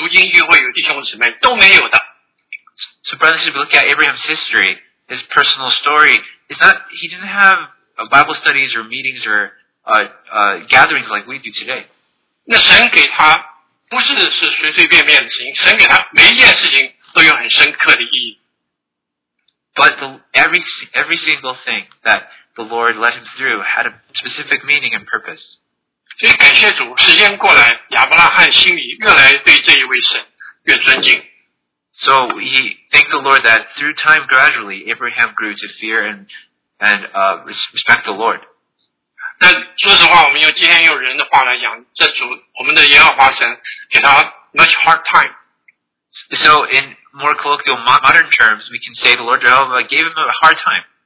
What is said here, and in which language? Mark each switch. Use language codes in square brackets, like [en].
[zh] 所以弟兄姊妹，你看亚伯拉罕的个人的在迦南，啊，他不像我们今天有读经聚会有弟兄姊妹都没有的。 [en] So brothers, if you look at Abraham's history, his personal story, is that he didn't have Bible studies or meetings or gatherings like we do today. [zh] 那神给他不是随随便便的事情，神给他每一件事情都有很深刻的意义。 [en] But every single thing that the Lord led him through had a specific meaning and purpose. [zh] 所以感谢主，时间过来，亚伯拉罕心里越来越对这一位神越尊敬。 [en] So he thanked the Lord that through time gradually Abraham grew to fear and respect the Lord. [zh] 但说实话，我们用今天用人的话来讲，这主我们的耶和华神给他 [en] much hard time. So in more colloquial modern terms, we can say the Lord Jehovah gave him a hard time.